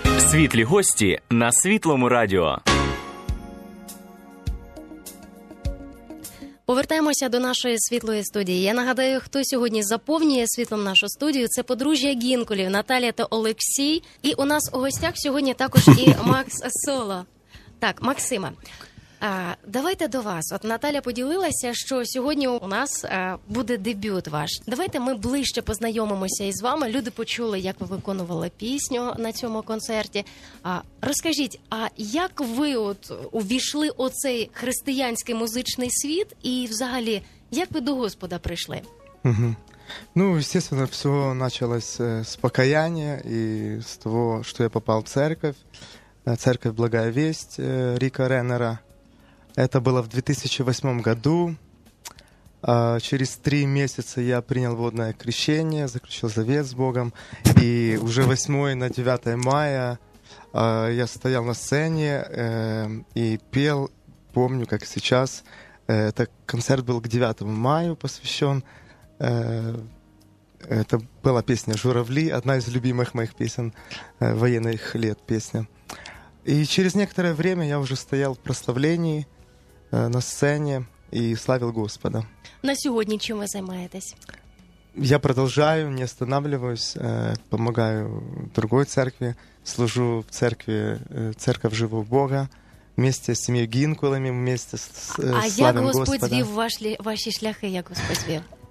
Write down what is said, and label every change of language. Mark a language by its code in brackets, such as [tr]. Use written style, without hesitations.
[uk] Світлі гості на Світлому радіо. Повертаємося до нашої світлої студії. Я нагадаю, хто сьогодні заповнює світлом нашу студію. Це подружжя Гінкулів, Наталія та Олексій. І у нас у гостях сьогодні також і Макс Соло. Так, Максиме, давайте до вас. От Наталя поділилася, що сьогодні у нас буде дебют ваш. Давайте ми ближче познайомимося із вами. Люди почули, як ви виконували пісню на цьому концерті. Розкажіть, а як ви от увійшли у цей християнський музичний світ? І взагалі, як ви до Господа прийшли? Угу. Ну, звісно, все почалось з покаяння і з того, що я попав [ru] в церковь. Церковь «Благая Весть» Ріка Реннера. Это было в 2008 году. Через 3 месяца я принял водное крещение, заключил завет с Богом. И уже 8 на 9 мая я стоял на сцене и пел. Помню, как сейчас. Это концерт был к 9 мая посвящен. Это была песня «Журавли», одна из любимых моих песен, военных лет песня. И через некоторое время я уже стоял в прославлении на сцене и славил Господа. [uk] На сьогодні чим ви займаєтесь? Я продовжую, [ru] не останавливаюсь, [uk] допомагаю [ru] другой [uk] церкві, служу в церкві Церковь Живого Бога, вместе з сім'єю Гінкулами, вместе з славим Господа. А як Господь звів ваші шляхи, як Господь звів?